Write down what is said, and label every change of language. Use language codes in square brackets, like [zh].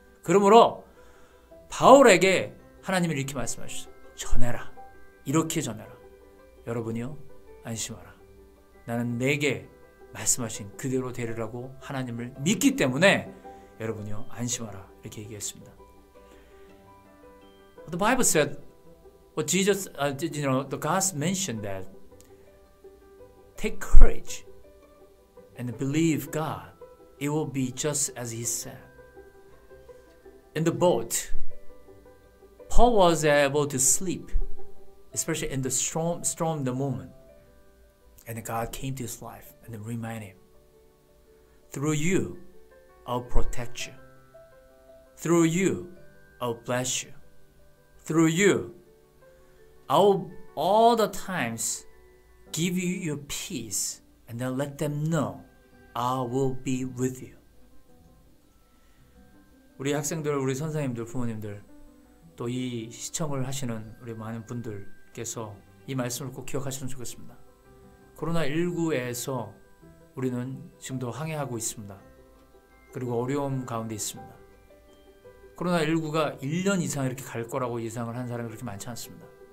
[ko] 그러므로 바울에게 하나님이 이렇게 말씀하셨어. 전해라. 이렇게 전해라. 여러분이요 안심하라. 나는 내게 말씀하신 그대로 되리라고 하나님을 믿기 때문에 여러분이요 안심하라. 이렇게 얘기했습니다. [en] The Bible said what Jesus, you know, the God mentioned that take courage and believe God. It will be just as he said. In the boat, Paul was able to sleep, especially in the storm the moment. And God came to his life and reminded him, through you, I'll protect you. Through you, I'll bless you. Through you, I'll all the times give you your peace and then let them know I will be with you. [ko] 우리 학생들, 우리 선생님들, 부모님들, 또 이 시청을 하시는 우리 많은 분들께서 이 말씀을 꼭 기억하시면 좋겠습니다. 코로나19에서 우리는 지금도 항해하고 있습니다. 그리고 어려움 가운데 있습니다. 코로나19가 1년 이상 이렇게 갈 거라고 예상을 한 사람이 그렇게 많지 않습니다.